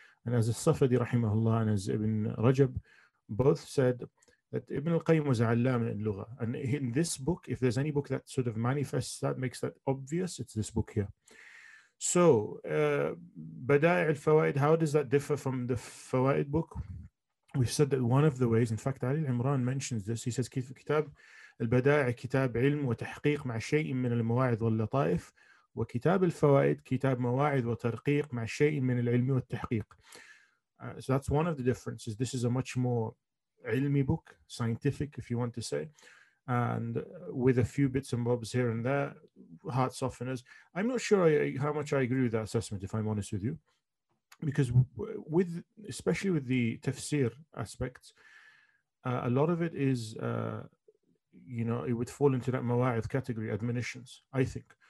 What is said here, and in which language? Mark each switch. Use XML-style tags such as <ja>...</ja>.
<en>And as As-Safadi rahimahullah and as Ibn Rajab both said, that Ibn al-Qayyim was allama in lugha. And in this book, if there's any book that sort of manifests that, makes that obvious, it's this book here. So, Bada'i' al-Fawa'id, how does that differ from the Fawa'id book? We've said that one of the ways, in fact, Ali al-Imran mentions this, he says, kitab</en> <ar>البدائع كتاب علم وتحقيق مع شيء من المواعظ واللطائف وكتاب الفوائد كتاب مواعظ وترقيق مع شيء من العلم والتحقيق.</ar> <en>So that's one of the differences. This is a much more علمي book, scientific, if you want to say, and with a few bits and bobs here and there, heart softeners. I'm not sure how much I agree with that assessment, if I'm honest with you, because especially with the tafsir aspects, a lot of it is, it would fall into that mawa'idh category, admonitions, I think.</en>